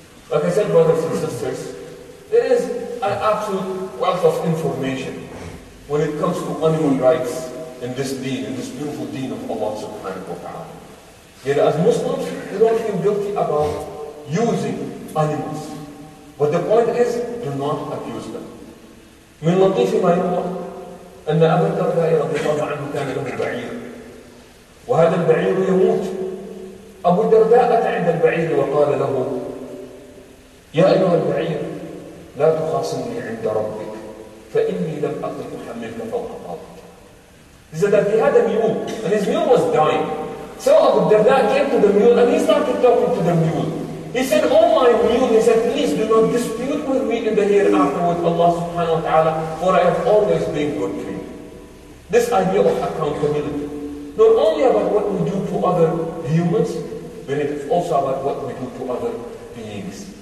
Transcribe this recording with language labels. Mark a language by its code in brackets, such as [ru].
[en] Like I said, brothers and sisters, there is an absolute wealth of information when it comes to animal rights in this deen, in this beautiful deen of Allah subhanahu wa ta'ala. Yet as Muslims, we don't feel guilty about using animals. But the point is, do not abuse them. [ar] من لطيف ما يروى أن أبا الدرداء رضي الله عنه كان له بعير، وهذا البعير يموت. أبو الدرداء أتى عند البعير وقال له: يا أيها البعير، لا تخاصمني عند ربك، فإني لم أقل أحملك فوق طاقتك. [en] He said that he had a mule, and his mule was dying. So Abu Darda came to the mule, and he started talking to the mule. He said, oh my mule, he said, please do not dispute with me in the hereafter with Allah subhanahu wa ta'ala, for I have always been good to you. This idea of accountability, not only about what we do to other humans, but it's also about what we do to other beings.